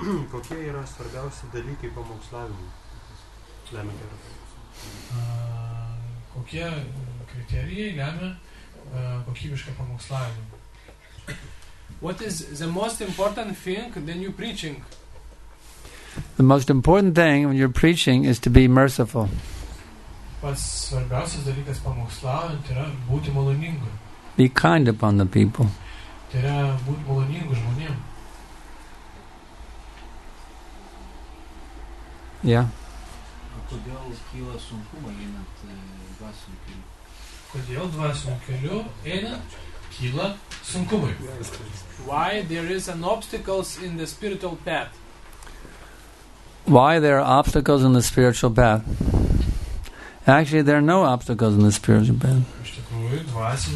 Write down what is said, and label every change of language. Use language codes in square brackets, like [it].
[lt] Kokie yra svarbiausi dalykai pamokslavimui? lemia gerą pamokslavimą? Kokie kriterijai lemia kokybišką pamokslavimą? [en] What is the most important thing when you're preaching? The most important thing when you're preaching is to be merciful. [lt] Pats svarbiausias dalykas pamokslaujant yra būti maloningu. [en] Be kind upon the people. [lt] Tai yra būti maloningu žmonėm. Yeah. A kodėl kyla sunkumai einant dvasiniu keliu? Kodėl dvasiniu keliu einant kyla sunkumai? [en] Why there is an obstacles in the spiritual path? Why there are obstacles in the spiritual path? Actually, there are no obstacles in the spiritual path.